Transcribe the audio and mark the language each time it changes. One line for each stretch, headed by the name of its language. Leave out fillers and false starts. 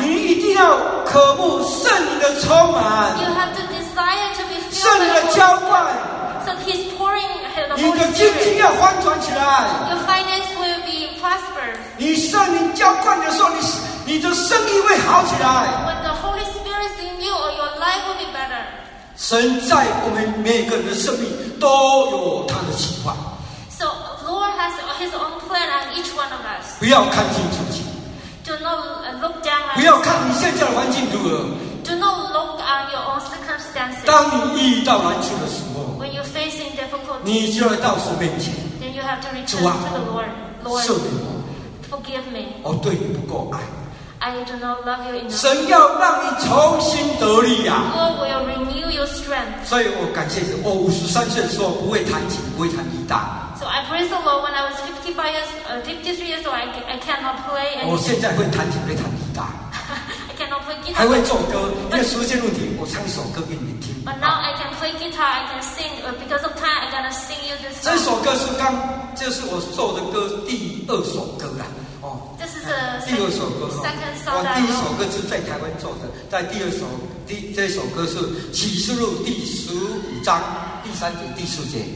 Chinese: 你一定要渴慕圣灵的充满。
English: You have to desire.
Chinese: 圣灵的浇灌，
English: so he's pouring the Holy Spirit.
Chinese: 你的经济要翻转起来。
English: Your finance will be prosperous.
Chinese: 你圣灵浇灌的时候，你的生意会好起来。
English: When the Holy Spirit is in you, your life will be better.
Chinese: 神在我们每个人的生命都有他的计划。
English: So Lord has His own plan on each one of us.
Chinese: 不要看清自己。
English: Do not look down.
Chinese: 不要看你现在的环境如何。
English: Do not look on your own circumstances.
Chinese: 当你遇到难处的时候
English: ，When you're facing difficulty,
Chinese: 你就要到神面前。
English: Then you have to return to the Lord. Lord,
Chinese: 赦免我
English: ，Forgive me.
Chinese: 我对你不够爱。
English: I do not love you enough.
Chinese: 神要让你重新得力呀。
English: Lord will renew your strength.
Chinese: 所以我感谢神。我五十三岁的时候不会弹琴，不会弹吉他。
English: So I praise the Lord when I was 53 years old. I cannot play.
Chinese: 我现在会弹琴，会弹吉他。
English: Guitar,
Chinese: 还会做歌，因为时间问题，我唱一首歌给你们听。
English: But now I can play guitar, I can sing. Because of time, I'm gonna sing you this song.
Chinese: 这首歌是刚，这是我做的歌第二首歌啦。哦
English: ，This is the
Chinese: 第二首歌。我第一首歌是在台湾做的，在第二首第这首歌是启示录第十五章第三节第四节。